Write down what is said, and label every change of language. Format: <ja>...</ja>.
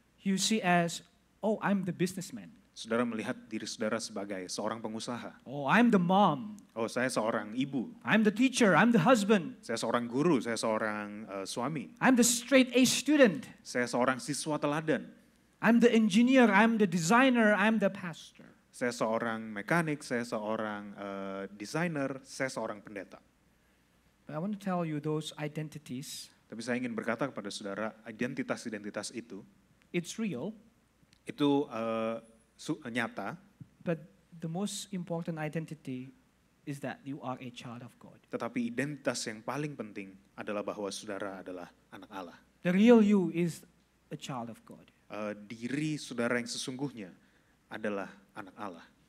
<en>You see as, oh, I'm the businessman.</en> <id>Saudara melihat diri saudara sebagai seorang pengusaha.</id> <en>Oh, I'm the mom.</en> <id>Oh, saya seorang ibu.</id> <en>I'm the teacher, I'm the husband.</en> <id>Saya seorang guru, saya seorang suami.</id> <en>I'm the straight A student.</en> <id>Saya seorang siswa teladan.</id> <en>I'm the engineer, I'm the designer, I'm the pastor.</en> <id>Saya seorang mekanik, saya seorang designer, saya seorang pendeta.</id> <en>But I want to tell you those identities.</en> <id>Tapi saya ingin berkata kepada saudara, identitas-identitas itu.</id> <en>It's real.</en> <id>Itu nyata.</id> <en>But the most important identity is that you are a child of God.</en> <id>Tetapi identitas yang paling penting adalah bahwa saudara adalah anak Allah.</id> <en>The real you is a child of God.</en> <id>Diri saudara yang sesungguhnya adalah anak Allah.</id>